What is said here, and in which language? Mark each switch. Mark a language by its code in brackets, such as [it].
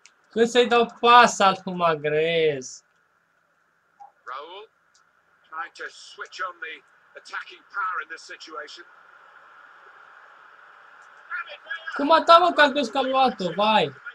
[ro] Când să-i dau pas al lui Magrez? [en] Raul, trying to switch on the attacking power in this situation. [ro] Cum a dat, mă, că a crezut că a luat-o, vai!